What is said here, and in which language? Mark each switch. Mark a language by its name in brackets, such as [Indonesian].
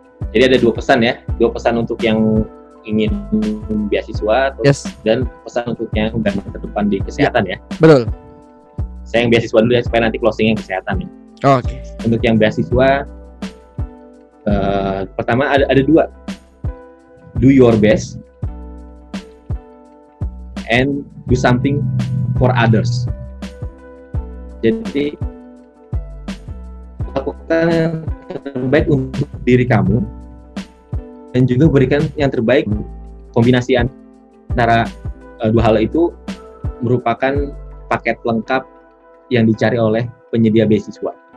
[Indonesian] Jadi ada dua pesan untuk yang ingin beasiswa, [English] yes, [Indonesian] dan pesan untuk yang garda terdepan di kesehatan ya. Betul. Saya yang beasiswa dulu ya, supaya nanti closingnya kesehatan ya. Oh, oke. [English] Okay. [Indonesian] Untuk yang beasiswa, pertama ada dua. [English] Do your best and do something for others. [Indonesian] Jadi lakukan yang terbaik untuk diri kamu, dan juga berikan yang terbaik. Kombinasi antara dua hal itu merupakan paket lengkap yang dicari oleh penyedia beasiswa.